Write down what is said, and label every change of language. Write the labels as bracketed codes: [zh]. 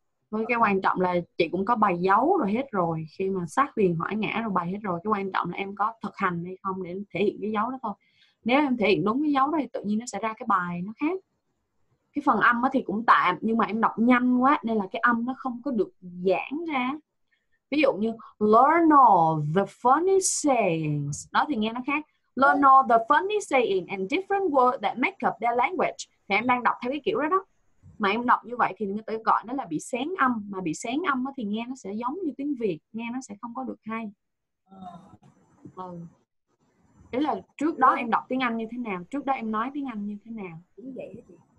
[vi] Với cái quan trọng là chị cũng có bài dấu rồi hết rồi, khi mà sát viền hỏi ngã rồi bài hết rồi, cái quan trọng là em có thực hành hay không để thể hiện cái dấu đó thôi. Nếu em thể hiện đúng cái dấu đó thì tự nhiên nó sẽ ra cái bài nó khác. Cái phần âm thì cũng tạm, nhưng mà em đọc nhanh quá nên là cái âm nó không có được giãn ra. Ví dụ như [en] learn all the funny sayings, [vi] đó thì nghe nó khác. [en] Learn all the funny saying and different words that make up their language. [vi] Thì em đang đọc theo cái kiểu đó đó. Mà em đọc như vậy thì người ta gọi nó là bị xén âm. Mà bị xén âm thì nghe nó sẽ giống như tiếng Việt. Nghe nó sẽ không có được hay. Ừ. Thế là trước đó em đọc tiếng Anh như thế nào? Trước đó em nói tiếng Anh như thế nào? Cũng vậy đó chị.